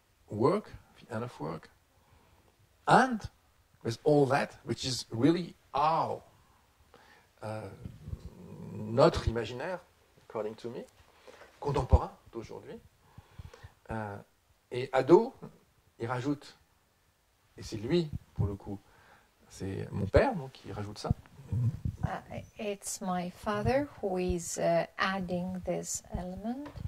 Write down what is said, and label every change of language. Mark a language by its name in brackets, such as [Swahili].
[English] Work, the end of work, and with all that, which is really our, [French] notre imaginaire, [English] according to me, [French] contemporain d'aujourd'hui. Et Ado, il rajoute, et c'est lui, pour le coup, c'est mon père donc, qui rajoute ça. [English] It's my father who is adding this element.